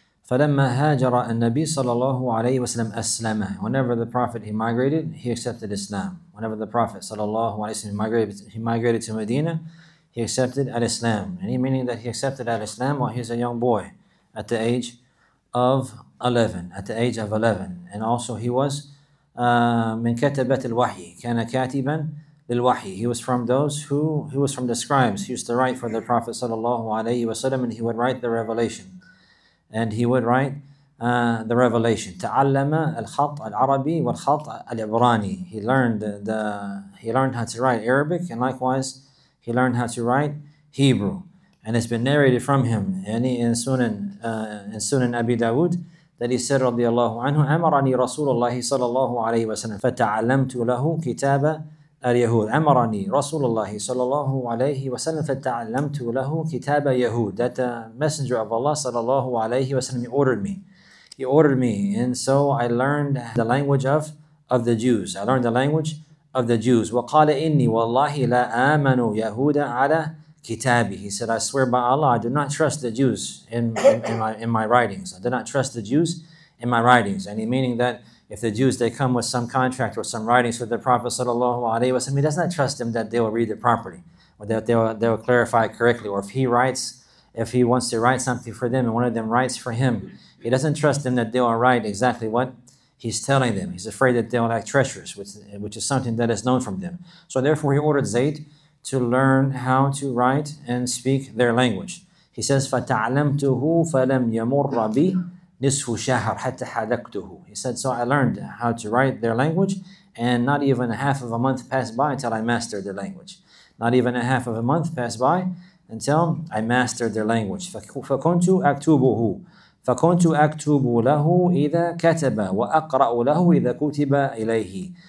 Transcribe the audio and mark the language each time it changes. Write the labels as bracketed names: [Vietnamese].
[Arabic] فَلَمَّا هَاجَرَ النَّبِيُّ صَلَى اللَّهُ عَلَيْهِ وَسَلَّمَ أَسْلَمَ. [English] Whenever the Prophet, he migrated, he accepted Islam. Whenever the Prophet, صلى الله عليه وسلم, he migrated to Medina, he accepted al-Islam. And meaning that he accepted al-Islam while he was a young boy, at the age of 11. And also he was [Arabic] مِنْ كَتَبَةِ الْوَحْيِ كَانَ كَاتِبًا لِلْوَحْيِ. [English] He was from those who, he was from the scribes. He used to write for the Prophet, صلى الله عليه وسلم, and he would write the revelation. And he would write the revelation. [Arabic] تَعَلَّمَ الْخَطْ الْعَرَبِي وَالْخَطْ الْعِبْرَانِي. [English] He learned how to write Arabic, and likewise, he learned how to write Hebrew. And it's been narrated from him in Sunan Abi Dawood that he said, [Arabic] رضي الله عنه, أَمَرَنِي رَسُولُ اللَّهِ صَلَى اللَّهُ عَلَيْهِ وَسَلَّمَ فَتَعَلَّمْتُ لَهُ كِتَابَ الْيَهُودِ. أَمَرَنِي رَسُولُ اللَّهِ صَلَى اللَّهُ عَلَيْهِ وَسَلَّمَ فَتَعَلَّمْتُ لَهُ كِتَابَ الْيَهُودِ. [English] That the messenger of Allah صلى الله عليه وسلم ordered me, and so I learned the language of the Jews. I learned the language of the Jews. [Arabic] وَقَالَ إِنِّي وَاللَّهِ لَا آمَنُ يَهُودَ عَلَى كِتَابِي. [English] He said, I swear by Allah, I do not trust the Jews in my writings. I do not trust the Jews in my writings. And he meaning that if the Jews, they come with some contract or some writings with the Prophet sallallahu alaihi wasallam, he does not trust them that they will read it properly or that they will clarify it correctly. Or if he wants to write something for them and one of them writes for him, he doesn't trust them that they will write exactly what he's telling them. He's afraid that they will act treacherous, which is something that is known from them. So therefore he ordered Zayd to learn how to write and speak their language. He says, [Arabic] فَتَعْلَمْتُهُ فَلَمْ يَمُرَّ بِي نِسْفُ شَهْرٍ حَتَّى حَدَقْتُهُ. [English] He said, so I learned how to write their language, and not even a half of a month passed by until I mastered their language. Not even a half of a month passed by until I mastered their language. [Arabic] فَكُنْتُ أَكْتُوبُهُ فَكُنْتُ أَكْتُوبُ لَهُ إِذَا كَتَبَ وَأَقْرَأُ لَهُ إِذَا كُتِبَ إِلَيْهِ.